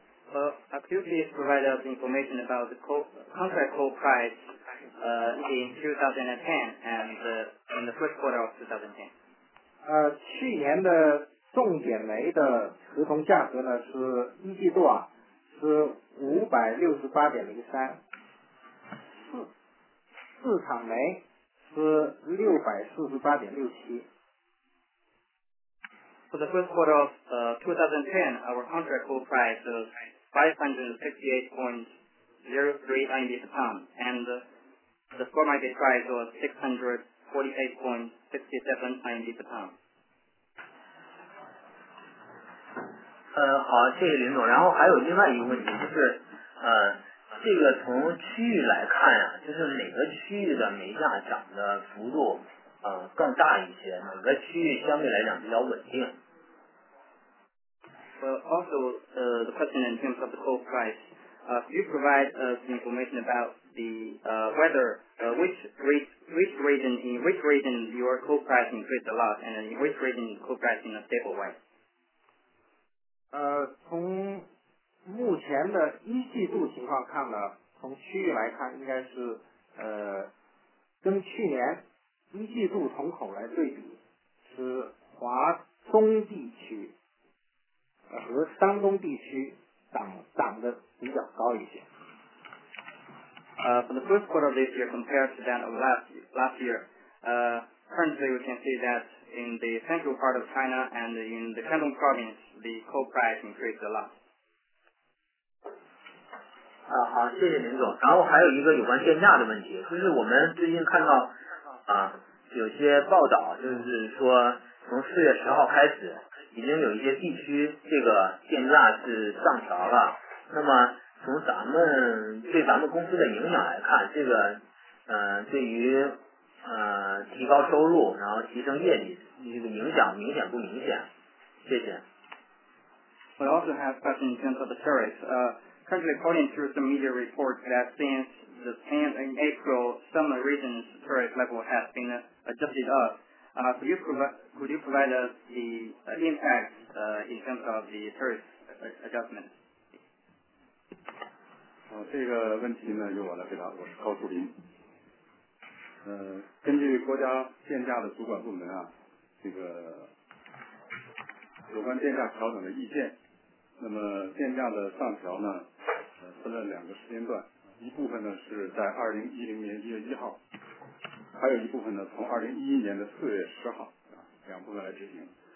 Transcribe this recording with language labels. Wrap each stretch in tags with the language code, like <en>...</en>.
<en>Could you please provide us information about the contract coal price in 2010 and in the first quarter of 2010?</en> <zh>去年的冻结煤的合同价格呢是一季度啊是568.03，市场煤是648.67。</zh> <en>For the first quarter of 2010, our contract coal price was 568.039 per ton, and the spot market price was 648.679 per ton.</en> <zh>好，谢谢林总。然后还有另外一个问题，就是这个从区域来看啊，就是哪个区域的煤价涨的幅度更大一些，哪个区域相对来讲比较稳定。</zh> <en>Well, also, the question in terms of the coal price, you provide us information about the whether which region in which region your coal price increased a lot, and in which region coal price in a stable way.</en> <zh>从目前的一季度情况看呢，从区域来看，应该是跟去年一季度同口来对比，是华东地区和山东地区涨的比较高一些。</zh> <en>For the first quarter of this year compared to that of last year, currently we can see that in the central part of China and in the Shandong province, the coal price increased a lot.</en> <zh>好，谢谢林总。然后还有一个有关电价的问题，就是我们最近看到有些报道，就是说从四月十号开始，已经有一些地区这个电价是上调了。那么从咱们对咱们公司的影响来看，这个对于提高收入，然后提升业绩，这个影响明显不明显？谢谢。</zh> <en>We also have questions in terms of the tariffs. Currently, according to some media reports, that since the 10th in April, some regions tariff level has been adjusted up. Could you provide us the impact in terms of the tariff adjustment?</en> <zh>这个问题呢，由我来回答。我是高树林。根据国家电价的主管部门这个有关电价调整的意见。那么电价的上调呢，分了两个时间段，一部分呢是在2010年1月1号，还有一部分呢从2011年的4月10号，两部分来执行。</zh>